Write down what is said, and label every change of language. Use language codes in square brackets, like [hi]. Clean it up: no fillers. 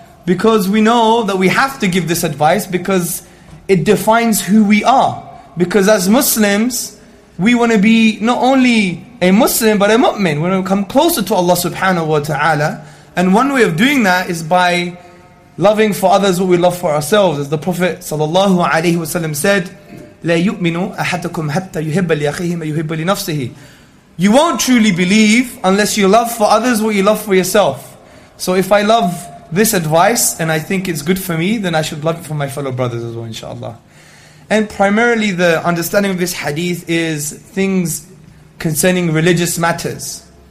[en] Because we know that we have to give this advice, because it defines who we are. Because as Muslims, we want to be not only a Muslim, but a mu'min. We want to come closer to Allah subhanahu wa ta'ala. And one way of doing that is by loving for others what we love for ourselves. As the Prophet sallallahu alayhi wa sallam said, [ar] لَا يُؤْمِنُ أَحَدَكُمْ حَتَّى يُحِبَّ لِيَخِهِ مَا يُحِبَّ لِنَفْسِهِ. [en] You won't truly believe unless you love for others what you love for yourself. So if I love this advice and I think it's good for me, then I should love it for my fellow brothers as well, inshaAllah. And primarily the understanding of this hadith is things concerning religious matters.